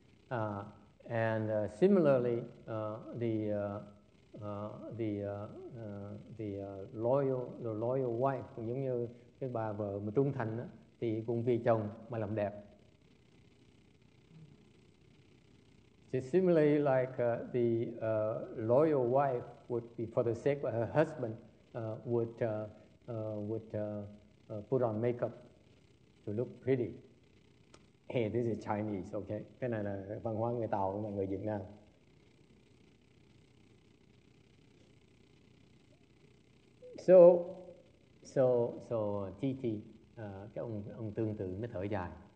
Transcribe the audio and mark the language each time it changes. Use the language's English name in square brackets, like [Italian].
[English] And similarly, the loyal wife [Vietnamese] cũng giống như cái bà vợ mà trung thành đó, thì cũng vì chồng mà làm đẹp. [English] So similarly, like the loyal wife would be for the sake of her husband would put on makeup to look pretty. Hey, this is Chinese, okay? [Vietnamese] Cái này là văn hóa người Tàu, mà người Việt Nam. So TT, cái ông tương tự mới thở dài.